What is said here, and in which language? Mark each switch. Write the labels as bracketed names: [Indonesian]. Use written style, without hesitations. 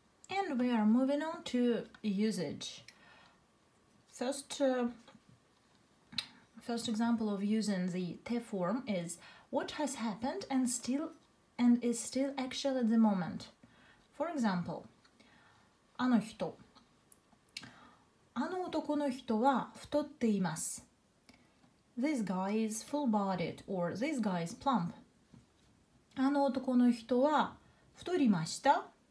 [English] And we are moving on to usage. First example of using the te form is what has happened and is still actual at the moment. For example, [Japanese] あの人。あの男の人は太っています。 [English] This guy is full-bodied or this guy is plump. [Japanese] あの男の人は太りました。